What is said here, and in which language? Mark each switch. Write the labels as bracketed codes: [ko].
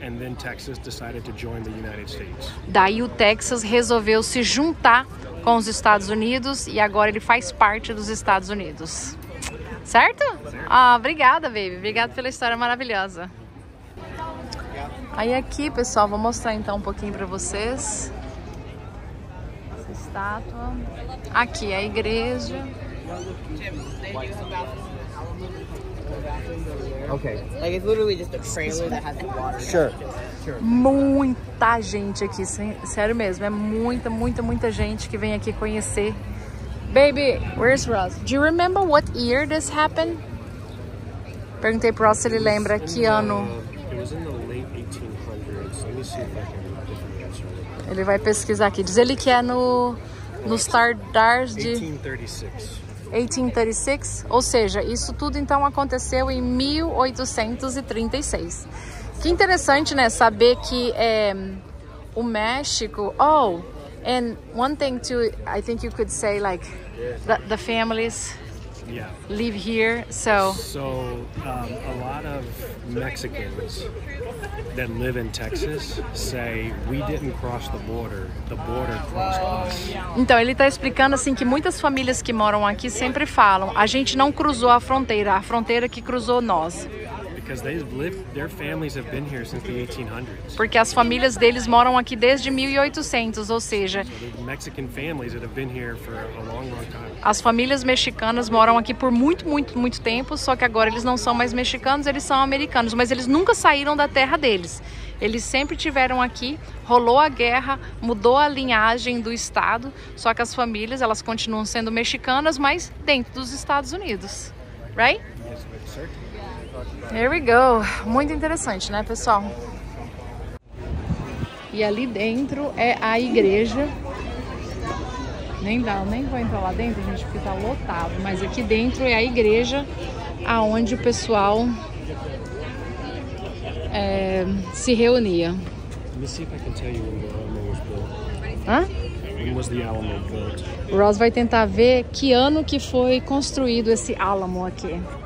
[en] And then Texas decided to join the United States. [pt] Daí o Texas resolveu se juntar com os Estados Unidos e agora ele faz parte dos Estados Unidos. Certo? Ah, obrigada, baby. Obrigada pela história maravilhosa. Aí aqui, pessoal, vou mostrar então um pouquinho pra vocês. Essa estátua. Aqui é a igreja. [en] Okay. It's literally just a trailer that has the water. Sure. [pt] Muita gente aqui, sério mesmo. É muita, muita, muita gente que vem aqui conhecer. [en] Baby, where's Ross? Do you remember what year this happened? [pt] Perguntei pro Ross se ele lembra que ano. [en] It was in the late 1800s. Let me see if I can get the answer. [pt] Ele vai pesquisar aqui. Diz ele que é no Stardust de 1836. Ou seja, isso tudo então aconteceu em 1836. Que interessante, né? Saber que o México. Oh! [en] And one thing too, I think you could say like the families live here. So a lot of Mexicans that live in Texas say we didn't cross the border. The border crossed us. [pt] Então ele está explicando assim que muitas famílias que moram aqui sempre falam a gente não cruzou a fronteira que cruzou nós. [en] Because they've lived, their families have been here since the 1800s. [pt] Porque as famílias deles moram aqui desde 1800, ou seja, [en] Mexican families that have been here for a long, long time. [pt] As famílias mexicanas moram aqui por muito, muito, muito tempo, só que agora eles não são mais mexicanos, eles são americanos, mas eles nunca saíram da terra deles. Eles sempre tiveram aqui, rolou a guerra, mudou a linhagem do estado, só que as famílias, elas continuam sendo mexicanas, mas dentro dos Estados Unidos. [en] Right? Yes, but certainly. Here we go. [pt] Muito interessante, né, pessoal? E ali dentro é a igreja. Nem vou entrar lá dentro, gente, porque tá lotado. Mas aqui dentro é a igreja aonde o pessoal se reunia. [en] Let me see if I can tell you when the Alamo was built. Hã? When was the Alamo built? [pt] O Ross vai tentar ver que ano que foi construído esse Alamo aqui.